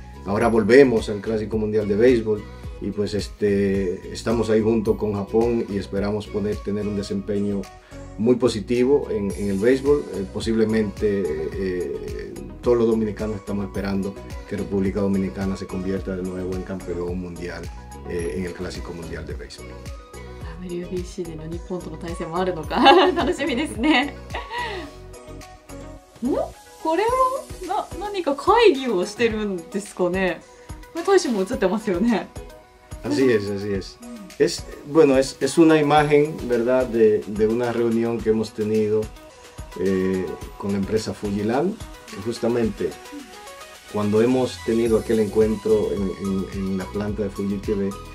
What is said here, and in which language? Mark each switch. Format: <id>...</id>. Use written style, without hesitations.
<es>Ahora volvemos al Clásico Mundial de Béisbol y pues estamos ahí junto con Japón y esperamos poder tener un desempeño muy positivo en el béisbol. Posiblemente todos los dominicanos estamos esperando que República Dominicana se convierta de nuevo en campeón mundial en el Clásico Mundial de Béisbol.</es> <ja>WBC での日本との対戦もあるのか楽しみですね。ん？これは何か会議をしてるんですかね。これ大使も映ってますよね。</ja> <es>Así es, así es. Es bueno, es una imagen, verdad, de una reunión que hemos tenido con la empresa Fujilan, justamente cuando hemos tenido aquel encuentro en la planta de Fuji TV.</es>